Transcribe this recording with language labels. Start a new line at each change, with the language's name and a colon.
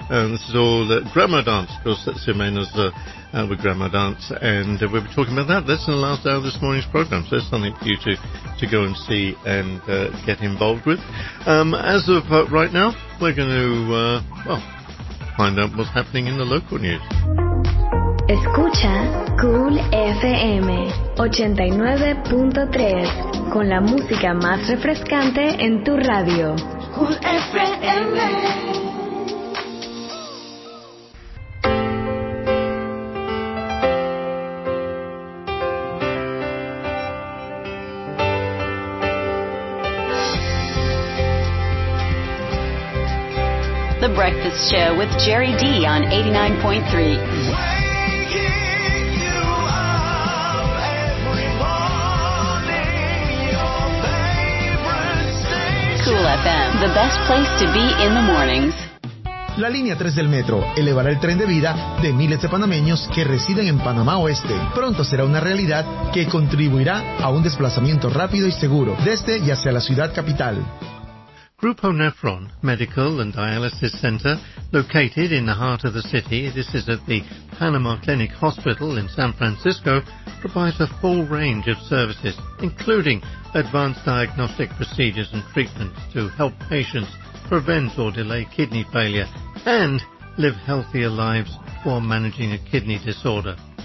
English: And this is all the Grandma Dance, of course, Simona's with Grandma Dance, and we'll be talking about that. That's in the last hour of this morning's program, so there's something for you to go and see and get involved with. As of right now, we're going to find out what's happening in the local news.
Spanish: Escucha Cool FM 89.3 con la música más refrescante en tu radio.
English: Cool FM. The Breakfast Show with Jerry D on 89.3. Cool FM, the best place to be in the mornings.
Spanish: La línea 3 del metro elevará el tren de vida de miles de panameños que residen en Panamá Oeste. Pronto será una realidad que contribuirá a un desplazamiento rápido y seguro desde y hacia la ciudad capital.
English: Grupo Nefron Medical and Dialysis Center, located in the heart of the city, this is at the Panama Clinic Hospital in San Francisco, provides a full range of services, including advanced diagnostic procedures and treatments to help patients prevent or delay kidney failure and live healthier lives while managing a kidney disorder.